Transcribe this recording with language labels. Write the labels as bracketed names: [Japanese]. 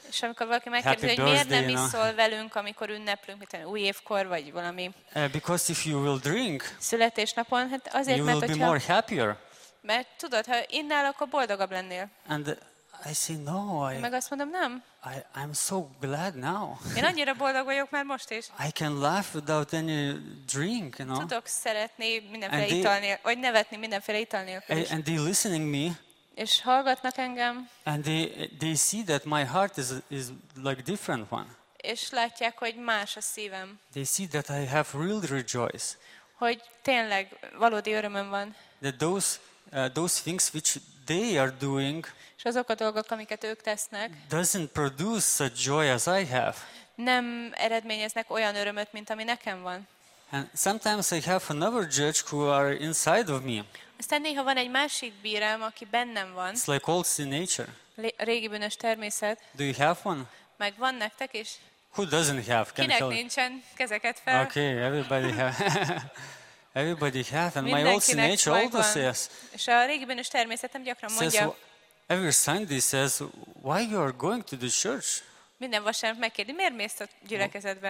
[Hungarian] és amikor valaki megkérdezi, hogy miért nem iszol velünk, amikor ünneplünk, mint új évkor, vagy valami. [English] Because if you will drink, [Hungarian] születésnapon, hát azért, [English] you will be more happier. [Hungarian] Mert tudod, ha innál, akkor boldogabb lennél. [English] And I say no. I [Hungarian] meg azt mondom, nem. [English] I'm so glad now. [Hungarian] Én annyira boldog vagyok már most is. [English] I can laugh without any drink, you know. [Hungarian] Tudok szeretni mindenféle ital nélkül, vagy nevetni mindenféle ital nélkül. [English] And they listening me. [Hungarian] És hallgatnak engem. [English] And they see that my heart is like different one. [Hungarian] És látják, hogy más a szívem. [English] They see that I have real rejoice. [Hungarian] Hogy tényleg valódi örömöm van. [English] That those things which they are doing. [Hungarian] És azok a dolgok, amiket ők tesznek. [English] Doesn't produce such joy as I have. [Hungarian] Nem eredményeznek olyan örömöt, mint ami nekem van. [English] And sometimes I have another judge who are inside of me. [Hungarian] Aztán néha van egy másik bírám, aki bennem van. [English] It's like old sin nature. [Hungarian] Régi bűnös természet. [English] Do you have one? [Hungarian] Meg van nektek is. [English] Who doesn't have? [Hungarian] Can kinek nincsen? Kezeket fel. [English] Okay, everybody have. Everybody have. And my old sin nature also says. [Hungarian] És a régi bűnös természetem gyakran mondja. [English] Every Sunday says, why you are going to the church? [Hungarian] Minden vasárnap megkérdi, miért mész a gyülekezetbe?